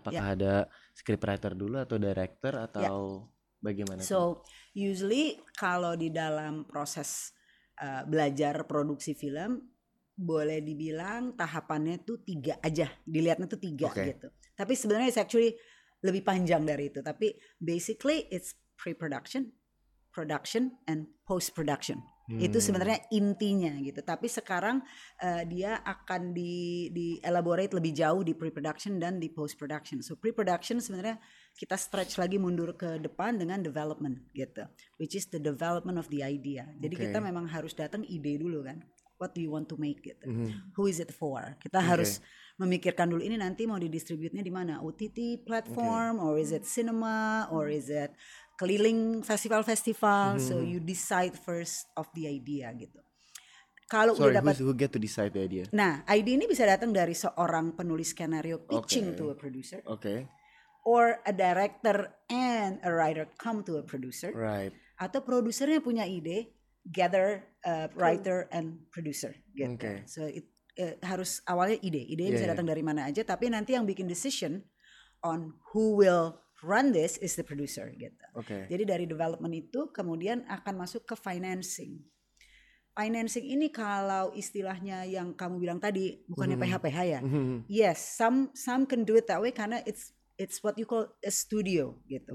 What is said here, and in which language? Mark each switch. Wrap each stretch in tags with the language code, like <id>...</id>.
<id>Apakah ada scriptwriter dulu atau director atau bagaimana? So, usually kalau di dalam proses belajar produksi film, boleh dibilang tahapannya tuh tiga aja, dilihatnya tuh tiga gitu. Tapi sebenarnya</id> <en>it's actually</en> <id>lebih panjang dari itu.</id> <en>Tapi basically it's pre-production, production, and post-production.</en> <id>Itu sebenarnya intinya gitu. Tapi sekarang dia akan di elaborate lebih jauh di pre-production dan di post-production.</id> <en>So pre-production</en> <id>sebenarnya kita</id> <en>stretch</en> <id>lagi mundur ke depan dengan</id> <en>development gitu, which is the development of the idea.</en> <id>Jadi kita memang harus datang ide dulu kan,</id> <en>what do you want to make</en> <id>gitu,</id> <en>who is it for.</en> <id>Kita harus memikirkan dulu ini nanti mau didistribute-nya di mana,</id> <en>OTT platform, or is it cinema, or is it</en> <id>keliling festival-festival.</id> <en>Mm-hmm. So you decide first of the idea gitu.</en> <id>Kalau udah dapat,</id> <en>who get to decide the idea?</en> <id>Nah, ide ini bisa datang dari seorang penulis skenario</id> <en>pitching to a producer. Okay. Or a director and a writer come to a producer. Right.</en> <id>Atau produsernya punya ide,</id> <en>gather writer and producer.</en> <id>Gitu.</id> <en>Okay.</en> <id>So it harus awalnya ide. Ide bisa datang dari mana aja, tapi nanti yang bikin</id> <en>decision on who will run this is the producer.</en> <id>Gitu.</id> <en>Okay.</en> <id>Jadi dari development itu kemudian akan masuk ke financing. Financing ini kalau istilahnya yang kamu bilang tadi, bukannya PH-PH ya?</id> <en>Yes, some can do it that way karena it's what you call a studio gitu.</en>